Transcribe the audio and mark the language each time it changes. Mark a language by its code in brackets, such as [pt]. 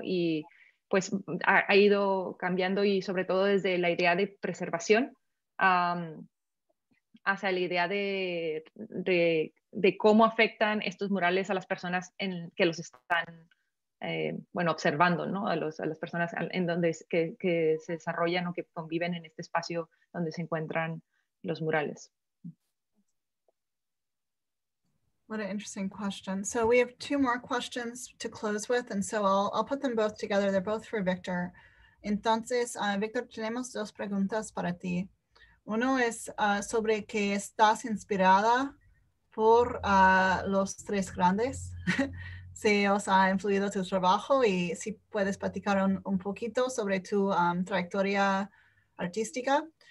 [es] Y pues ha ido cambiando, y sobre todo desde la idea de preservación hacia la idea de cómo afectan estos murales a las personas en que los están observando, ¿no? A las personas en donde que se desarrollan o que conviven en este espacio donde se encuentran los murales. [en] What an interesting question. So we have two more questions to close with, and so I'll put them both together. They're both for Victor. [es] Entonces, Victor, tenemos dos preguntas para ti. Uno es sobre que estás inspirada por los tres grandes. Si os ha influido tu trabajo, y si puedes platicar un poquito sobre tu trayectoria artística.